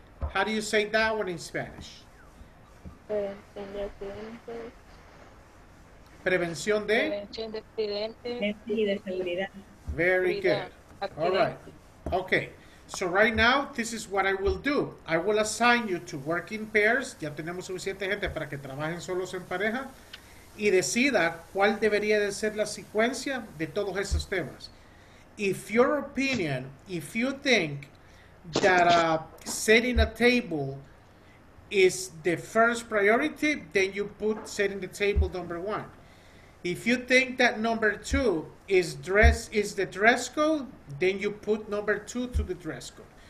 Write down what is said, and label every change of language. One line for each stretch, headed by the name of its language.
English: How do you say that one in Spanish?
Spanish: Prevención de? Prevención de accidentes y de seguridad.
English: Very good. All right. Okay. So right now, this is what I will do. I will assign you to work in pairs.
Spanish: Ya tenemos suficiente gente para que trabajen solos en pareja. Y decida cuál debería de ser la secuencia de todos esos temas.
English: If your opinion, if you think that setting a table is the first priority, then you put setting the table number one. If you think that number two is dress is the dress code, then you put number two to the dress code.